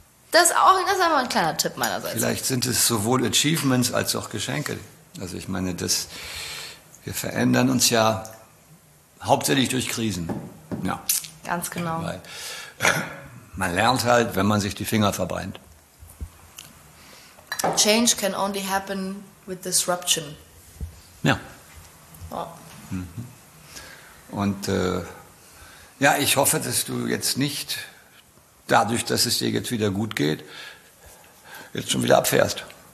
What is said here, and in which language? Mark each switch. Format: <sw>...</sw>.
<de>Das ist einfach ein kleiner Tipp meinerseits. Vielleicht sind es sowohl Achievements als auch Geschenke. Also ich meine, wir verändern uns ja hauptsächlich durch Krisen. Ja. Ganz genau. Weil man lernt halt, wenn man sich die Finger verbrennt.</de> <en>Change can only happen with disruption.</en> <de>Ja. Oh. Mhm. Und ja, ich hoffe, dass du jetzt nicht dadurch, dass es dir jetzt wieder gut geht, jetzt schon wieder abfährst.</de>